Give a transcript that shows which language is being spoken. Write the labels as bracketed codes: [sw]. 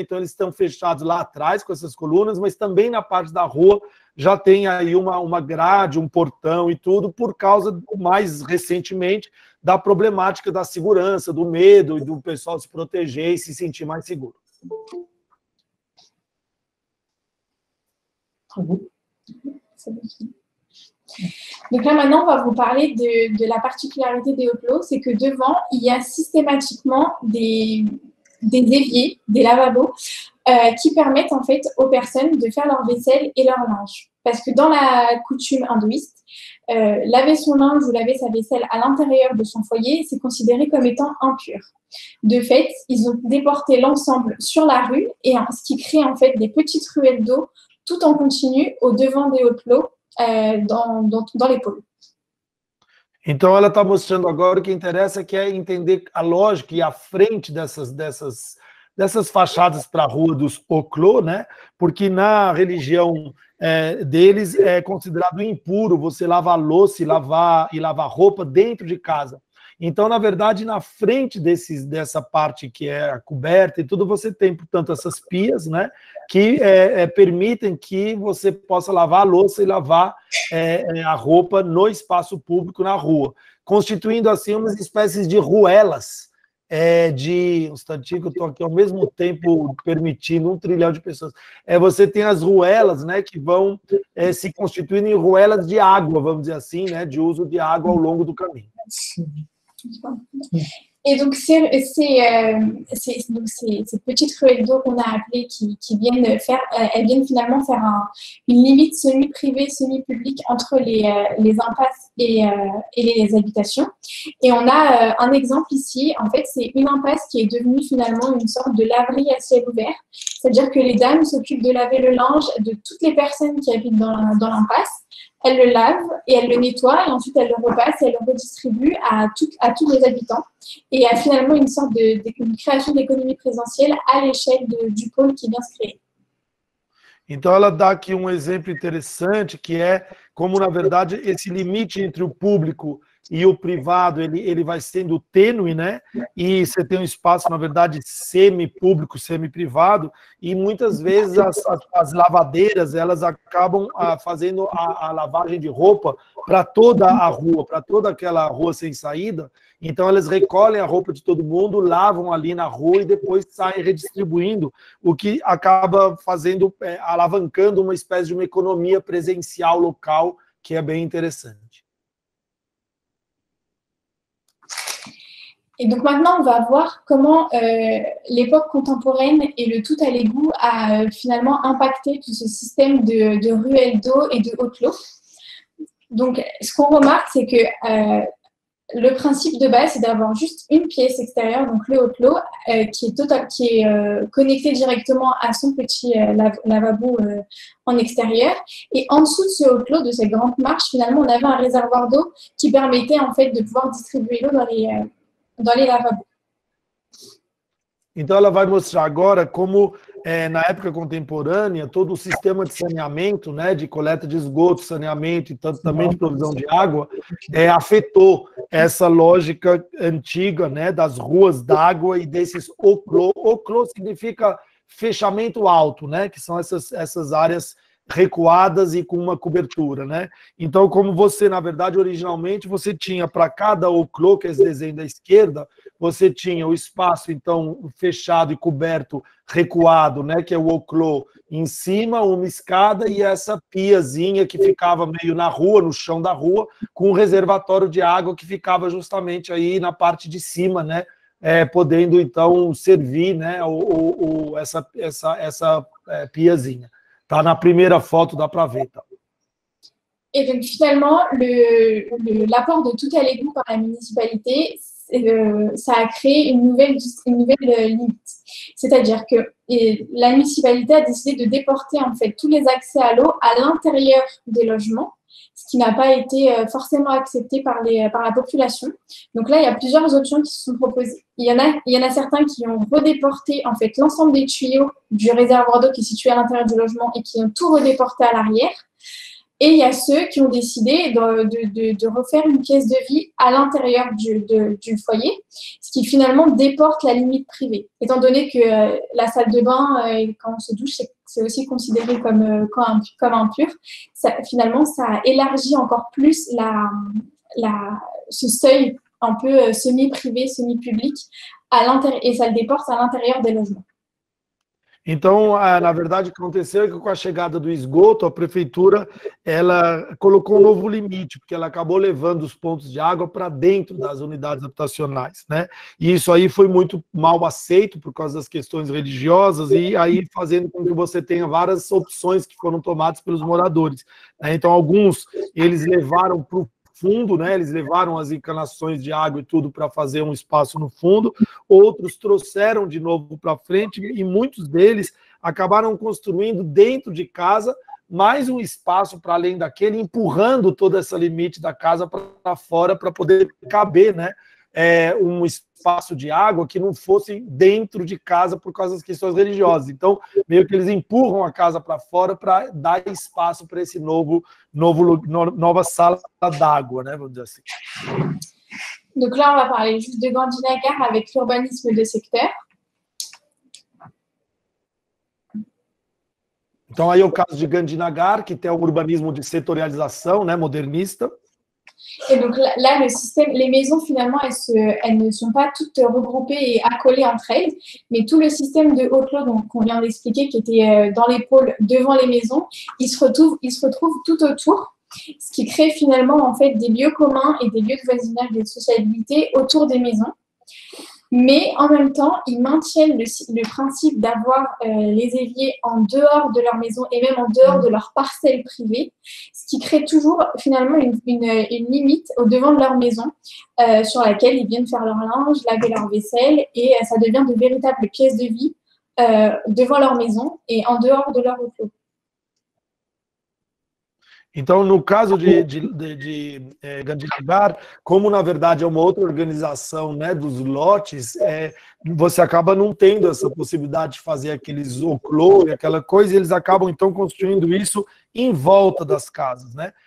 [pt] Então, eles estão fechados lá atrás com essas colunas, mas também na parte da rua já tem aí uma grade, um portão e tudo, por causa, mais recentemente, da problemática da segurança, do medo e do pessoal se proteger e se sentir mais seguro. [fr] Donc là maintenant on va vous parler de la particularité des hauts lots, c'est que devant il y a systématiquement des éviers, des lavabos qui permettent en fait aux personnes de faire leur vaisselle et leur linge. Parce que dans la coutume hindouiste, laver son linge ou laver sa vaisselle à l'intérieur de son foyer, c'est considéré comme étant impur. De fait, ils ont déporté l'ensemble sur la rue, et ce qui crée en fait des petites ruelles d'eau tout en continu au devant des hauts lots dans les pôles. [pt] Então ela está mostrando agora o que interessa, que é entender a lógica e a frente dessas fachadas para a rua dos hauts lots, né? Porque na religião deles é considerado impuro você lavar louça e lavar roupa dentro de casa. Então, na verdade, na frente dessa parte que é a coberta e tudo, você tem, portanto, essas pias, né, que permitem que você possa lavar a louça e lavar a roupa no espaço público, na rua, constituindo, assim, umas espécies de ruelas, de... Um instantinho, que eu estou aqui ao mesmo tempo permitindo 1 trilhão de pessoas. Você tem as ruelas, né, que vão se constituindo em ruelas de água, vamos dizer assim, né, de uso de água ao longo do caminho. [fr] Et donc ces petites ruelles d'eau qu'on a appelées qui viennent finalement faire une limite semi-privée, semi-publique entre les impasses et les habitations. Et on a un exemple ici, en fait c'est une impasse qui est devenue finalement une sorte de laverie à ciel ouvert, c'est-à-dire que les dames s'occupent de laver le linge de toutes les personnes qui habitent dans l'impasse. Elle le lave et elle le nettoie et ensuite elle le repasse et elle le redistribue à tous les habitants. Et il y a finalement une sorte de création d'économie présentielle à l'échelle du pôle qui vient se créer. [pt] Então, ela dá aqui um exemplo interessante, que é como, na verdade, esse limite entre o público e o privado, ele vai sendo tênue, né? E você tem um espaço, na verdade, semi-público, semi-privado, e muitas vezes as lavadeiras, elas acabam fazendo a lavagem de roupa para toda a rua, para toda aquela rua sem saída. Então, elas recolhem a roupa de todo mundo, lavam ali na rua e depois saem redistribuindo, o que acaba fazendo, alavancando uma espécie de uma economia presencial local, que é bem interessante. [fr] Et donc maintenant, on va voir comment l'époque contemporaine et le tout à l'égout a finalement impacté tout ce système de ruelles d'eau et de haute l'eau. Donc, ce qu'on remarque, c'est que le principe de base, c'est d'avoir juste une pièce extérieure, donc le haute l'eau, qui est connectée directement à son petit lavabo en extérieur. Et en dessous de ce haute l'eau, de cette grande marche, finalement, on avait un réservoir d'eau qui permettait en fait de pouvoir distribuer l'eau dans les... [pt] Então ela vai mostrar agora como na época contemporânea todo o sistema de saneamento, né, de coleta de esgoto, saneamento e tanto também de provisão de água, afetou essa lógica antiga, né, das ruas d'água e desses oclô. Oclô significa fechamento alto, né, que são essas áreas recuadas e com uma cobertura, né? Então, como você, na verdade, originalmente, você tinha para cada oclô, que é esse desenho da esquerda, você tinha o espaço, então, fechado e coberto, recuado, né? Que é o oclô em cima, uma escada e essa piazinha que ficava meio na rua, no chão da rua, com um reservatório de água que ficava justamente aí na parte de cima, né? Podendo, então, servir, né? Essa piazinha. Tá na primeira foto, dá para ver. [fr] Et donc, finalement, l'apport de tout à l'égout par la municipalité, ça a créé une nouvelle limite. C'est-à-dire que la municipalité a décidé de déporter en fait tous les accès à l'eau à l'intérieur des logements, ce qui n'a pas été forcément accepté par la population. Donc là, il y a plusieurs options qui se sont proposées. Il y en a certains qui ont redéporté en fait l'ensemble des tuyaux du réservoir d'eau qui est situé à l'intérieur du logement et qui ont tout redéporté à l'arrière. Et il y a ceux qui ont décidé de refaire une pièce de vie à l'intérieur du foyer, ce qui finalement déporte la limite privée. Étant donné que la salle de bain, quand on se douche, c'est aussi considéré comme impur, ça, finalement, ça élargit encore plus ce seuil un peu semi-privé, semi-public, et ça le déporte à l'intérieur des logements. [pt] Então, na verdade, o que aconteceu é que com a chegada do esgoto, a prefeitura ela colocou um novo limite, porque ela acabou levando os pontos de água para dentro das unidades habitacionais, né? E isso aí foi muito mal aceito por causa das questões religiosas e aí fazendo com que você tenha várias opções que foram tomadas pelos moradores. Né? Então, alguns eles levaram para o fundo, né? Eles levaram as encanações de água e tudo para fazer um espaço no fundo, outros trouxeram de novo para frente e muitos deles acabaram construindo dentro de casa mais um espaço para além daquele, empurrando toda essa limite da casa para fora para poder caber, né? Um espaço de água que não fosse dentro de casa por causa das questões religiosas. Então, meio que eles empurram a casa para fora para dar espaço para esse nova sala d'água, né? Vamos dizer assim. [fr] Donc là, on va parler juste de Gandhinagar avec l'urbanisme de secteur. [pt] Então, aí é o caso de Gandhinagar, que tem um urbanismo de setorialização, né, modernista. [fr] Et donc là, le système, les maisons, finalement, elles ne sont pas toutes regroupées et accolées entre elles, mais tout le système de haute l'eau qu'on vient d'expliquer, qui était dans les pôles devant les maisons, il se retrouve tout autour, ce qui crée finalement en fait des lieux communs et des lieux de voisinage, de sociabilité autour des maisons. Mais en même temps, ils maintiennent le principe d'avoir les éviers en dehors de leur maison et même en dehors de leur parcelle privée, ce qui crée toujours finalement une limite au devant de leur maison sur laquelle ils viennent faire leur linge, laver leur vaisselle et ça devient de véritables pièces de vie devant leur maison et en dehors de leur enclos. [pt] Então, no caso de Gandhinagar, como na verdade é uma outra organização, né, dos lotes, é, você acaba não tendo essa possibilidade de fazer aqueles oclô e aquela coisa, e eles acabam então construindo isso em volta das casas, né?